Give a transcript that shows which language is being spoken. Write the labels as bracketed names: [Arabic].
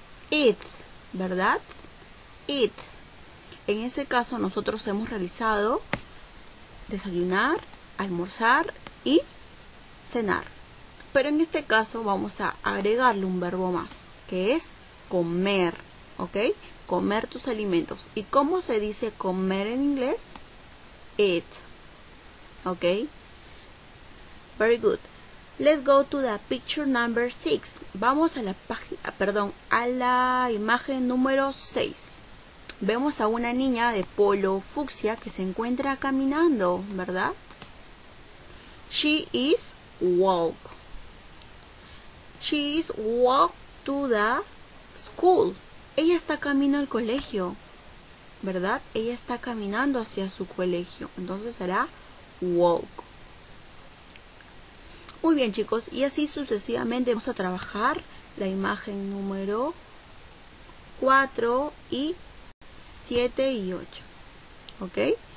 [Spanish] Eat, ¿verdad? Eat. En ese caso, nosotros hemos realizado desayunar, almorzar y cenar. Pero en este caso, vamos a agregarle un verbo más, que es comer. ¿Ok? Comer tus alimentos. ¿Y cómo se dice comer en inglés? [English] Eat. ¿Ok? Very good. Let's go to the picture number 6. [Spanish] Vamos a la página, perdón, a la imagen número 6. Vemos a una niña de polo fucsia que se encuentra caminando, ¿verdad? [English] She is walk. She is walk to the school. [Spanish] Ella está camino al colegio, ¿verdad? Ella está caminando hacia su colegio. Entonces será walk. Muy bien, chicos. Y así sucesivamente vamos a trabajar la imagen número 4 y 7 y 8. ¿Ok?